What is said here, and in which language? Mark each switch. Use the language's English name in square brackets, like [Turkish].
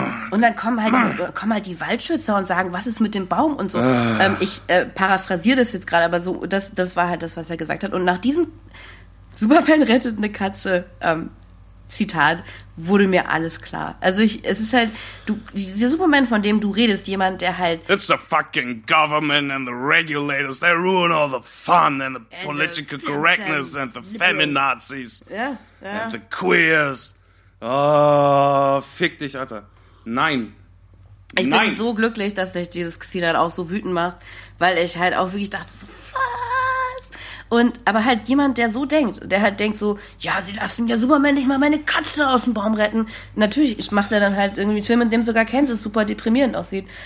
[German] Und dann kommen halt die Waldschützer und sagen, was ist mit dem Baum und so. Paraphrasiere das jetzt gerade, aber so, das war halt das, was er gesagt hat. Und nach diesem Superman rettet eine Katze Zitat, wurde mir alles klar. Also dieser Superman, von dem du redest, jemand, der halt... [English] It's the fucking government and the regulators, they ruin all the fun and the political and the correctness and the feminazis and the queers. [German] Oh, fick dich, Alter. Nein. Ich bin so glücklich, dass sich dieses Ziel halt auch so wütend macht, weil ich halt auch wirklich dachte, so, was? Und, aber halt jemand, der so denkt, der halt denkt so, ja, sie lassen ja Superman nicht mal meine Katze aus dem Baum retten. Natürlich macht er dann halt irgendwie einen Film, in dem sogar Kansas super deprimierend aussieht.